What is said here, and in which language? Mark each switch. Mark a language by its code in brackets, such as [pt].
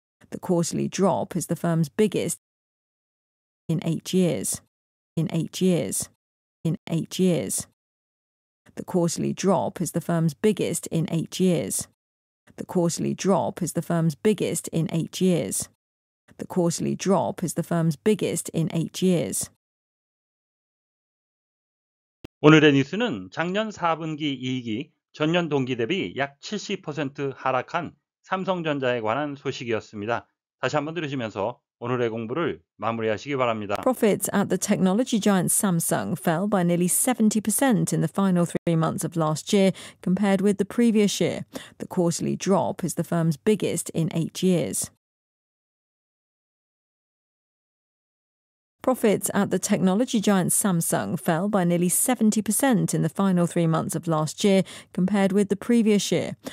[en] The quarterly drop is the firm's biggest in 8 years. In 8 years. In 8 years. The quarterly drop is the firm's biggest in 8 years. The quarterly drop is the firm's biggest in 8 years. The quarterly drop is the firm's biggest in 8 years. [ko] 오늘의 뉴스는 작년 4분기 이익이 전년 동기 대비 약 70% 하락한 삼성전자에 관한 소식이었습니다. 다시 한번 들으시면서 오늘의 공부를 마무리하시기 바랍니다. [en] Profits at the technology giant Samsung fell by nearly 70% in the final 3 months of last year compared with the previous year. The quarterly drop is the firm's biggest in 8 years. Profits at the technology giant Samsung fell by nearly 70% in the final 3 months of last year compared with the previous year.